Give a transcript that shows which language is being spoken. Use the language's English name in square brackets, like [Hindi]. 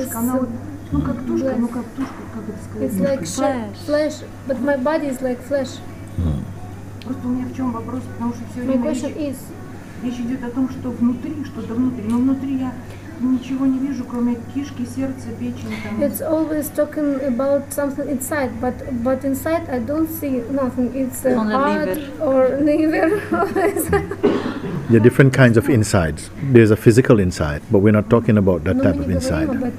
[English] It's like flesh, but my body is like flesh. My question is, [Russian] речь идет о том, что внутри, что-то внутри, но внутри я ничего не вижу, кроме кишки, сердца, печени. [English] It's always talking about something inside, but inside I don't see nothing. It's a heart or liver. There are different kinds of insides. There's a physical inside, but we're not talking about that type of inside.